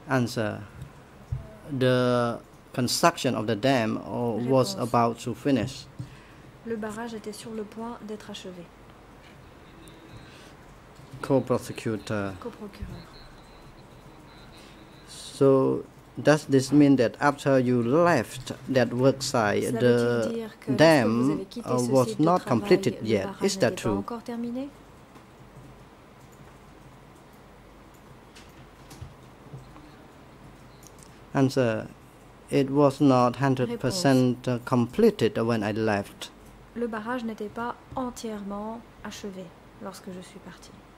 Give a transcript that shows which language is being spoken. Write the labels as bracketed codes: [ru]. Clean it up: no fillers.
[en] Answer, the construction of the dam was about to finish. [fr] Le barrage était sur le point d'être achevé. [en] Co-prosecutor. So does this mean that after you left that work site, the dam was not completed yet? Is that true? Answer, it was not 100% completed when I left. [fr] Le barrage n'était pas entièrement achevé lorsque je suis parti.